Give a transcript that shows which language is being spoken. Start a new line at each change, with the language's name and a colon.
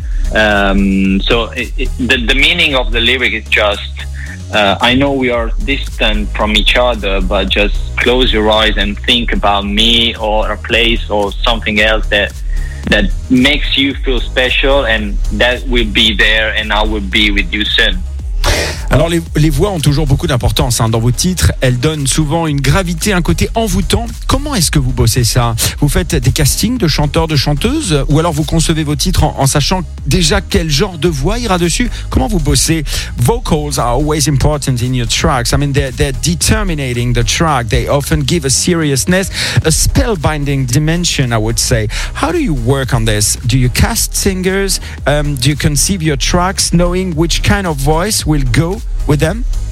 English: So the meaning of the lyric is just, I know we are distant from each other, but just close your eyes and think about me or a place or something else that makes you feel special, and that will be there and I will be with you soon.
French: Alors les voix ont toujours beaucoup d'importance hein, dans vos titres. Elles donnent souvent une gravité, un côté envoûtant. Comment est-ce que vous bossez ça? Vous faites des castings de chanteurs, de chanteuses? Ou alors vous concevez vos titres en sachant déjà quel genre de voix ira dessus? Comment vous bossez?
English: Vocals are always important in your tracks. I mean, they're determining the track. They often give a seriousness, a spellbinding dimension, I would say. How do you work on this? Do you cast singers? Do you conceive your tracks knowing which kind of voice will go with them?